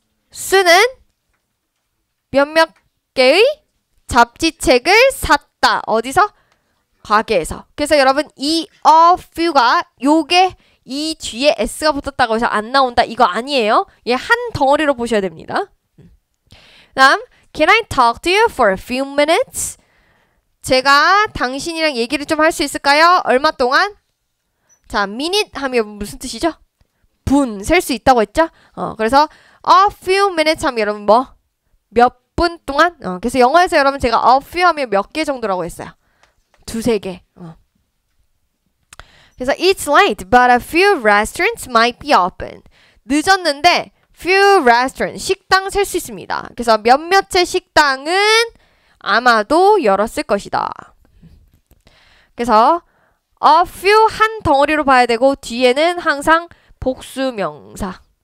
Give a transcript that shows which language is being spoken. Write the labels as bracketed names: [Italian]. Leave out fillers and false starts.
[Korean] 수는 몇몇 개의 잡지책을 샀다. 어디서? 가게에서. 그래서 여러분 이 a few가 요게 이 뒤에 s가 붙었다고 해서 안 나온다. 이거 아니에요. 얘 한 덩어리로 보셔야 됩니다. 다음 [English] Can I talk to you for a few minutes? [Korean] 제가 당신이랑 얘기를 좀 할 수 있을까요? 얼마 동안? 자, minute 하면 무슨 뜻이죠? 분, 셀 수 있다고 했죠? 그래서 a few minutes 하면 여러분 뭐? 몇 분 동안? 그래서 영어에서 여러분 제가 a few 하면 몇 개 정도라고 했어요. 두세 개. 그래서 [English] it's late, but a few restaurants might be open. [Korean] 늦었는데 few restaurants, 식당 셀 수 있습니다. 그래서 몇몇의 식당은 아마도 열었을 것이다. 그래서 a few 한 덩어리로 봐야 되고 뒤에는 항상 복수명사.